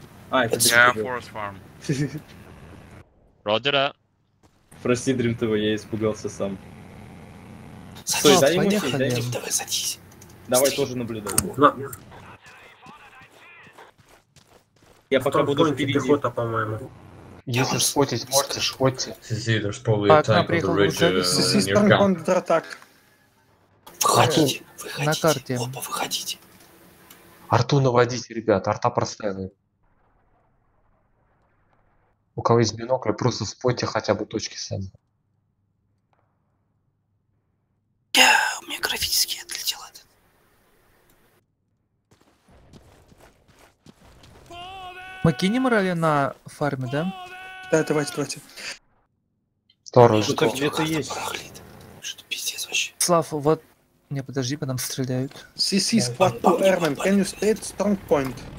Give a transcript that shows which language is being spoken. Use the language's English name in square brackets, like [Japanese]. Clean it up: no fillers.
[English] Forest farm. Roger that. [Russian] Прости, Dream TV, я испугался сам. Стой, дай ему сесть, дай ему. Dream TV, садись. Давай стрим. Тоже наблюдай. Я пока буду впереди. Пехота, по-моему. Если шхотить, можете шхотить. [English] Сизи, there's probably a tank on the ridge near camp. [Russian] Сизи, там контратак. Выходите. На карте. Опа, выходите. Арту наводите, ребят, арта простая. У кого есть бинокль, просто спойте хотя бы точки сами. У меня графически отлетело. Мы кинем ралли на фарме, да? Да, давайте. Второй же. Где-то есть. Барахлит. Что-то пиздец вообще. Слав, вот... Не, подожди, по нам стреляют. [English] CC, squad to airman, can you stay at strong point?